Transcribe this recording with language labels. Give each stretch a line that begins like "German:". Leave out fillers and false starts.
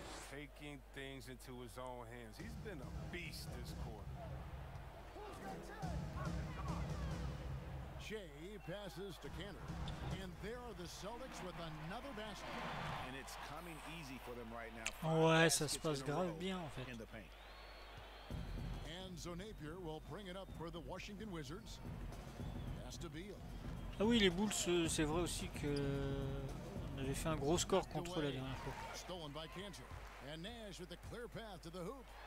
English: Taking things into his own hands. He's been a beast this quarter. Jay passes to Cantor. And there are the Celtics with another basket. And it's coming easy for them right now.
French: Ouais, ça se passe grave bien en fait.
English: And so Napier will bring it up for the Washington Wizards. Pass to Beal.
French: Ah oui, les Bulls, c'est vrai aussi que on avait fait un gros score contre la dernière fois.
English: Stolen by Cantor. And Nash with a clear path to the hoop.